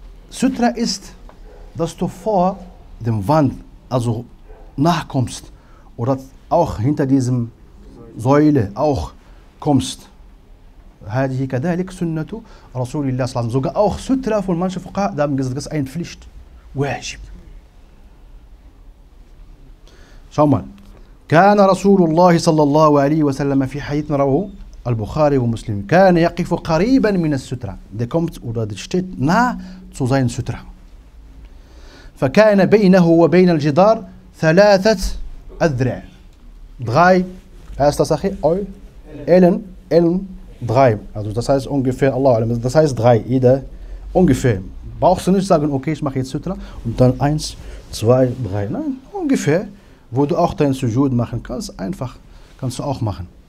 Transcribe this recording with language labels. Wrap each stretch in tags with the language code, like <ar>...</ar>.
<de>Sutra ist, dass du vor dem Wand, also nachkommst oder auch hinter diesem Säule auch kommst.</de> <ar>Hadihi kadalik sunnatu Rasulillah sallam.</ar> <de>Sogar auch Sutra von manchen Fuqaha, da haben gesagt, das ist eine Pflicht. Wajib. Schau mal.</de> <ar>كان رسول الله صلى الله عليه وسلم في حديث رواه البخاري ومسلم كان يقف قريبا من السترة.</ar> <de>Der kommt oder der steht nah zu seinen Sutra.</de> <ar>فكان بينه وبين الجدار ثلاثة أذرع.</ar> <de>Drei. Erste Sache. Ellen. Drei. Also das heißt ungefähr. Allah Alam. Das heißt drei. Jeder ungefähr. Brauchst du nicht sagen, okay, ich mache jetzt Sutra und dann eins, zwei, drei. Nein, ungefähr. Wo du auch dein Sujud machen kannst, einfach, kannst du auch machen.</de>